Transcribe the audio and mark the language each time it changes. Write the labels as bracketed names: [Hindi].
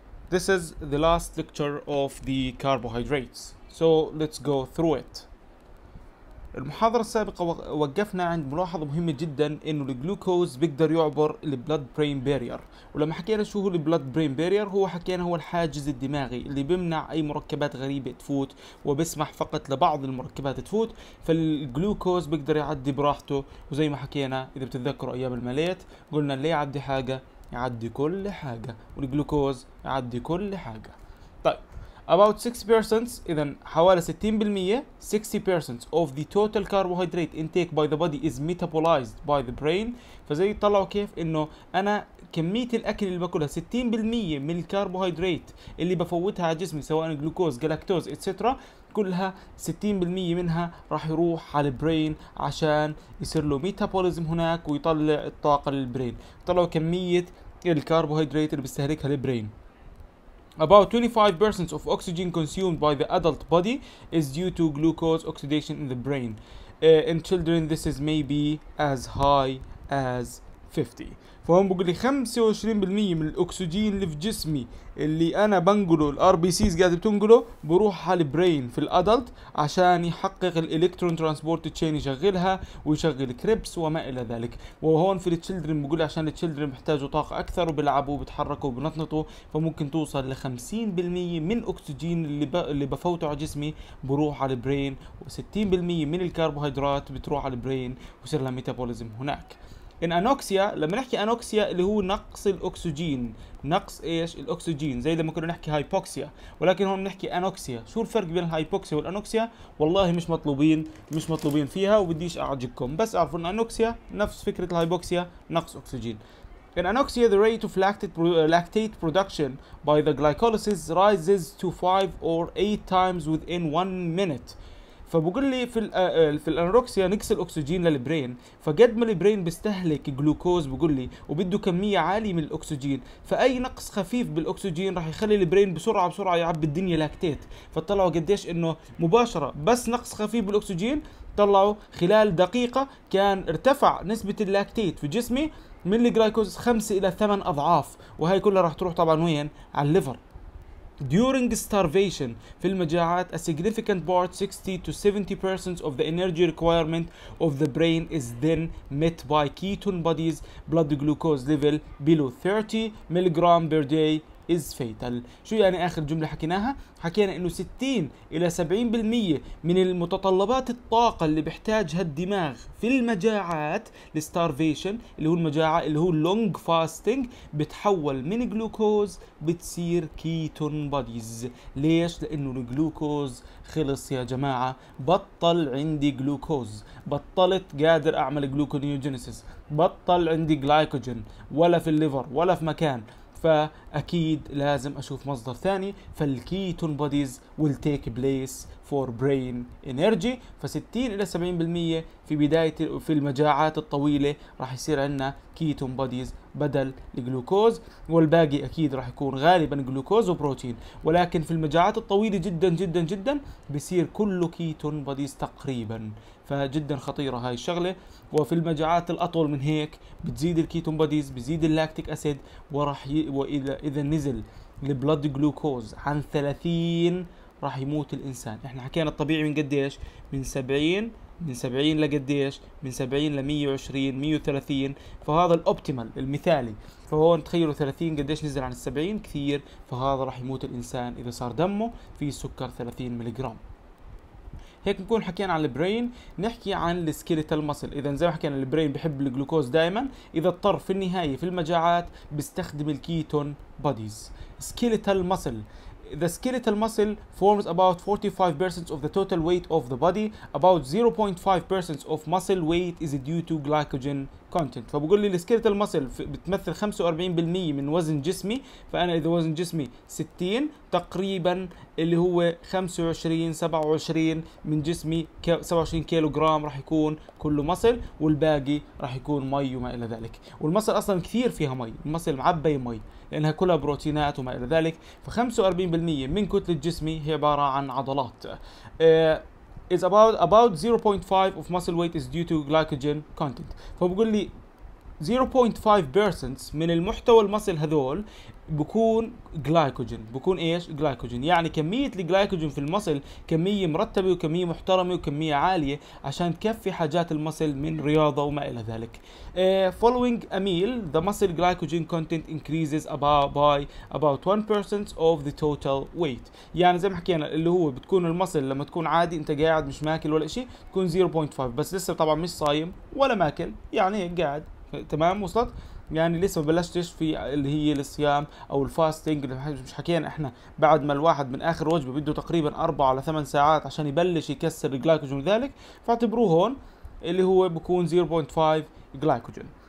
[English] This is the last lecture of the carbohydrates, so let's go through it. [Arabic] المحاضرة السابقة وقفنا عند ملاحظة مهمة جدا انه الجلوكوز بيقدر يعبر البلاد برين بارير. ولما حكينا شو هو البلاد برين بارير، هو حكينا هو الحاجز الدماغي اللي بيمنع اي مركبات غريبة تفوت وبسمح فقط لبعض المركبات تفوت، فالجلوكوز بيقدر يعدي براحته. وزي ما حكينا اذا بتتذكروا ايام الماليت قلنا اللي يعدي حاجة يعدي كل حاجة، والجلوكوز يعدي كل حاجة. [English] About 6%، [Arabic] إذا حوالي 60%، [English] 60% of the total carbohydrate intake by the body is metabolized by the brain. [Arabic] فزي طلعوا كيف إنه أنا كمية الأكل اللي باكلها 60% من الكربوهيدرات اللي بفوتها على جسمي، سواء جلوكوز، جلاكتوز، إتسترا، كلها 60% منها راح يروح على البرين عشان يصير له ميتابوليزم هناك ويطلع الطاقة للبرين. طلعوا كمية الكربوهيدرات اللي بيستهلكها البرين. [English] About 25% of oxygen consumed by the adult body is due to glucose oxidation in the brain. In children, this is maybe as high as 50. [Arabic] فهم بقول لي 25% من الاكسجين اللي في جسمي اللي انا بنقله، الار بي سيز قاعده بتنقله، بروح على البرين في الادلت عشان يحقق الالكترون ترانسبورت تشين، يشغلها ويشغل كريبس وما الى ذلك. وهون في التشيلدرن بقول لي عشان التشيلدرن بيحتاجوا طاقه اكثر وبيلعبوا وبيتحركوا وبنطنطوا، فممكن توصل ل 50% من الاكسجين اللي بفوته على جسمي بروح على البرين، و 60% من الكربوهيدرات بتروح على البرين ويصير لها ميتابوليزم هناك. إن أنوكسيا، لما نحكي أنوكسيا اللي هو نقص الأكسجين، نقص إيش؟ الأكسجين، زي لما كنا نحكي هايبوكسيا، ولكن هون بنحكي أنوكسيا. شو الفرق بين الهايبوكسيا والأنوكسيا؟ والله مش مطلوبين فيها وبديش أعجبكم، بس أعرفوا إن أنوكسيا نفس فكرة الهايبوكسيا، نقص أكسجين. [English] In anoxia, the rate of lactate production by the glycolysis rises to 5 or 8 times within 1 minute. [Arabic] فبقول لي في الانوركسيا نقص الاكسجين للبرين، فقد ما البرين بيستهلك جلوكوز بقول لي وبده كميه عاليه من الاكسجين، فاي نقص خفيف بالاكسجين راح يخلي البرين بسرعه بسرعه يعبي الدنيا لاكتيت. فطلعوا قديش انه مباشره بس نقص خفيف بالاكسجين، طلعوا خلال دقيقه كان ارتفع نسبه اللاكتيت في جسمي من الجلايكوز 5 إلى 8 أضعاف، وهي كلها راح تروح طبعا وين؟ على الليفر. [English] During starvation, [Arabic] في المجاعات, [English] a significant part, 60 to 70% of the energy requirement of the brain is then met by ketone bodies. Blood glucose level below 30 milligram per day is fatal. [Arabic] شو يعني آخر جملة حكيناها؟ حكينا إنه 60 إلى 70% من المتطلبات الطاقة اللي بيحتاجها الدماغ في المجاعات, starvation اللي هو المجاعة اللي هو long fasting, بتحول من جلوكوز بتصير كيتون بوديز. ليش؟ لأنه الجلوكوز خلص يا جماعة، بطل عندي جلوكوز، بطلت قادر أعمل جلوكونيوجينيسيس، بطل عندي جلايكوجين ولا في الليفر ولا في مكان، فأكيد لازم أشوف مصدر ثاني. [English] فالكيتون bodies will take place for brain energy. [Arabic] ف60 إلى 70% في بداية في المجاعات الطويلة راح يصير عندنا كيتون بوديز بدل الجلوكوز، والباقي أكيد راح يكون غالبا جلوكوز وبروتين، ولكن في المجاعات الطويلة جدا جدا جدا بيصير كله كيتون بوديز تقريبا. فجدا خطيرة هاي الشغلة. وفي المجاعات الأطول من هيك بتزيد الكيتون بوديز، بزيد اللاكتيك أسيد، وراح وإذا نزل البلد جلوكوز عن 30 راح يموت الإنسان. إحنا حكينا الطبيعي من قديش؟ من 70. من 70 لقديش؟ من 70 ل 120 130، فهذا الاوبتيمال المثالي. فهون تخيلوا 30 قديش نزل عن 70؟ كثير، فهذا راح يموت الانسان اذا صار دمه فيه سكر 30 ملي جرام. هيك نكون حكينا عن البرين. نحكي عن السكيليتال ماسل. اذا زي ما حكينا البرين بحب الجلوكوز دائما، اذا اضطر في النهايه في المجاعات بيستخدم الكيتون بوديز. سكيليتال ماسل. [English] The skeletal muscle forms about 45% of the total weight of the body. About 0.5% of muscle weight is due to glycogen content. [Arabic] فبقول لي السكيلتال ماسل بتمثل 45% من وزن جسمي، فانا اذا وزن جسمي 60 تقريبا اللي هو 25 27 من جسمي 27 كيلو جرام راح يكون كله ماسل، والباقي راح يكون مي وما الى ذلك. والماسل اصلا كثير فيها مي، الماسل معبي مي لانها كلها بروتينات وما الى ذلك. ف 45% من كتله جسمي هي عباره عن عضلات. [English] is about 0.5 of muscle weight is due to glycogen content. [Arabic] فبقول لي 0.5% من المحتوى المصل هذول بكون جلايكوجين. بكون ايش؟ جلايكوجين، يعني كمية الجلايكوجين في المصل كمية مرتبة وكمية محترمة وكمية عالية عشان تكفي حاجات المصل من رياضة وما إلى ذلك. [English] Following a meal, the muscle glycogen content increases about 1% of the total weight. [Arabic] يعني زي ما حكينا اللي هو بتكون المصل لما تكون عادي انت قاعد مش ماكل ولا شيء تكون 0.5، بس لسه طبعا مش صايم ولا ماكل، يعني قاعد تمام وصلت؟ يعني لسه ما بلشتش في اللي هي الصيام او الفاستنج اللي مش حكينا احنا بعد ما الواحد من اخر وجبه بده تقريبا 4 إلى 8 ساعات عشان يبلش يكسر الجلايكوجين وذلك، فاعتبروه هون اللي هو بكون 0.5 جلايكوجين.